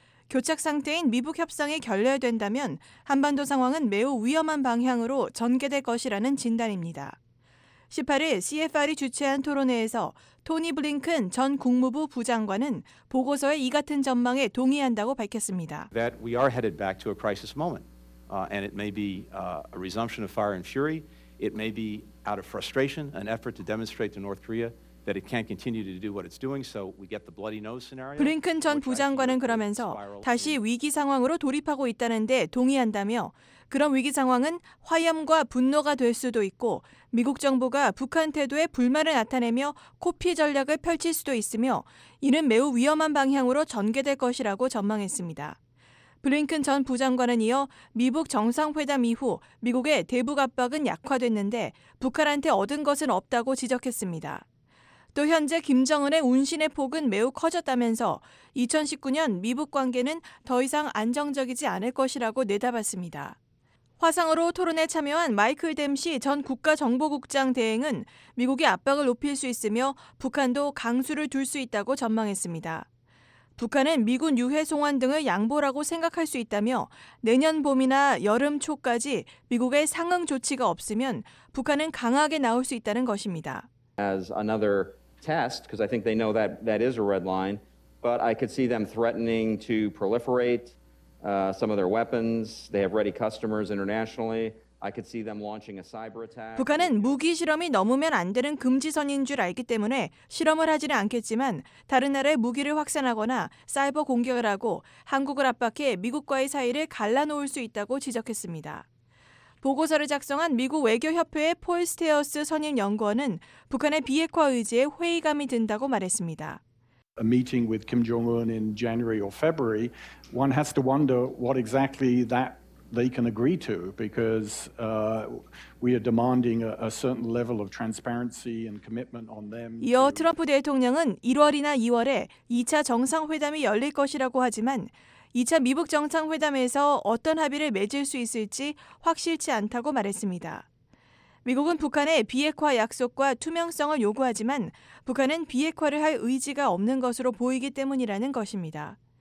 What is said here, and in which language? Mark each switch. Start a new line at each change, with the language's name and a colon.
Korean: 교착 상태인 미북 협상이 결렬된다면 한반도 상황은 매우 위험한 방향으로 전개될 것이라는 진단입니다. 18일 CFR이 주최한 토론회에서 토니 블링큰 전 국무부 부장관은 보고서의 이 같은 전망에 동의한다고 밝혔습니다.
English: That we are headed back to a crisis moment. And it may be a resumption of fire and fury. It may be out of frustration, an effort to demonstrate to North Korea that it can't continue to do what it's doing. So we get the bloody nose scenario.
Korean: 블링큰 전 부장관은 그러면서 다시 위기 상황으로 돌입하고 있다는 데 동의한다며 그런 위기 상황은 화염과 분노가 될 수도 있고 미국 정부가 북한 태도에 불만을 나타내며 코피 전략을 펼칠 수도 있으며 이는 매우 위험한 방향으로 전개될 것이라고 전망했습니다. 블링큰 전 부장관은 이어 미북 정상회담 이후 미국의 대북 압박은 약화됐는데 북한한테 얻은 것은 없다고 지적했습니다. 또 현재 김정은의 운신의 폭은 매우 커졌다면서 2019년 미북 관계는 더 이상 안정적이지 않을 것이라고 내다봤습니다. 화상으로 토론에 참여한 마이클 댐시 전 국가정보국장 대행은 미국의 압박을 높일 수 있으며 북한도 강수를 둘 수 있다고 전망했습니다. 북한은 미군 유해 송환 등을 양보라고 생각할 수 있다며 내년 봄이나 여름 초까지 미국의 상응 조치가 없으면 북한은 강하게 나올 수 있다는 것입니다.
English: As another test, because I think they know that that is a red line, but I could see them threatening to proliferate some of their weapons. They have ready customers internationally. I could see them launching a cyber attack.
Korean: 북한은 무기 실험이 넘으면 안 되는 금지선인 줄 알기 때문에 실험을 하지는 않겠지만 다른 나라의 무기를 확산하거나 사이버 공격을 하고 한국을 압박해 미국과의 사이를 갈라놓을 수 있다고 지적했습니다. 보고서를 작성한 미국 외교협회의 폴 스테어스 선임 연구원은 북한의 비핵화 의지에 회의감이 든다고 말했습니다.
English: A meeting with Kim Jong-un in January or February, one has to wonder what exactly that they can agree to because we are demanding a certain level of transparency and commitment on them.
Korean: 이어 트럼프 대통령은 1월이나 2월에 2차 정상회담이 열릴 것이라고 하지만 2차 미북 정상회담에서 어떤 합의를 맺을 수 있을지 확실치 않다고 말했습니다. 미국은 북한의 비핵화 약속과 투명성을 요구하지만 북한은 비핵화를 할 의지가 없는 것으로 보이기 때문이라는 것입니다.